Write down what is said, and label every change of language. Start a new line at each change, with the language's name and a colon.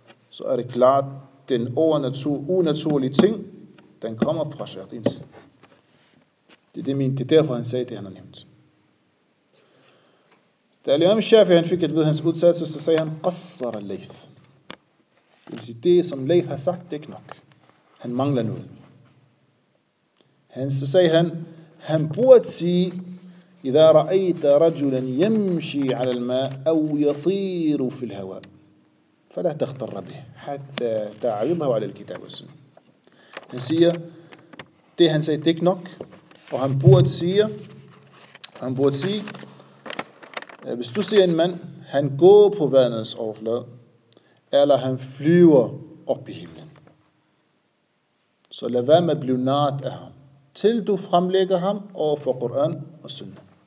Danish: Så er det klart, den unaturlige ting, den kommer fra shayatins. Det er derfor, han sagde det, han har nævnt. Da Al-Imam Shafi, han fik at vide hans udtalelse, så sagde han,
Arabic: qassar al-layth.
Danish: Det vil sige, det som Layth har sagt, det er ikke nok. Han mangler noget. Så sagde han, han burde sige,
Arabic: إذا رأيت رجلا يمشي على الماء أو يطير في الهواء فلا تغتر به حتى تعرضه على الكتاب والسنة.
Danish: Han siger, det han sagde, det er ikke nok, og han burde sige, hvis du ser en mand, han går på vandets overflade, eller han flyver op i himlen, så lad være med at blive nart af ham, til du fremlægger ham over for Koran og Sunna.